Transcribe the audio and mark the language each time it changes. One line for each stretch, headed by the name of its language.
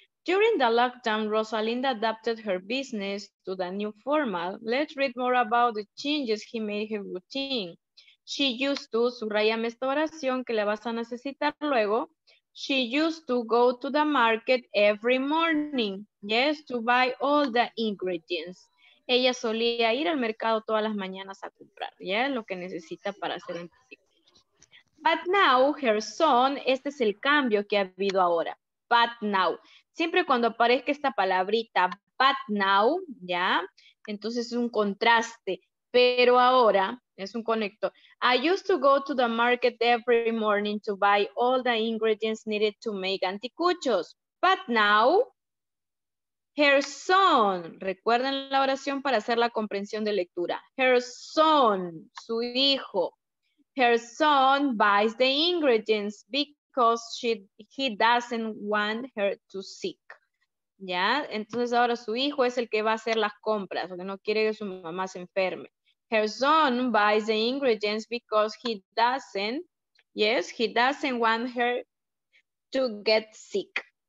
English: During the lockdown, Rosalinda adapted her business to the new format.
Spanish: Let's read more about the changes he made her routine.
English: She used to,
Spanish: subrayame esta oración que la vas a necesitar luego.
English: She used to go to the market every morning, yes? To buy all the ingredients.
Spanish: Ella solía ir al mercado todas las mañanas a comprar, yes? Lo que necesita para hacer un tipo.
English: But now, her son,
Spanish: este es el cambio que ha habido ahora.
English: But now.
Spanish: Siempre cuando aparezca esta palabrita, but now, ¿ya? Entonces es un contraste. Pero ahora, es un conector.
English: I used to go to the market every morning to buy all the ingredients needed to make anticuchos. But now, her son.
Spanish: Recuerden la oración para hacer la comprensión de lectura.
English: Her son,
Spanish: su hijo.
English: Her son buys the ingredients because he doesn't want her to sick.
Spanish: ¿Ya? Entonces ahora su hijo es el que va a hacer las compras, porque no quiere que su mamá se enferme.
English: Her son buys the ingredients because he doesn't want her to get sick.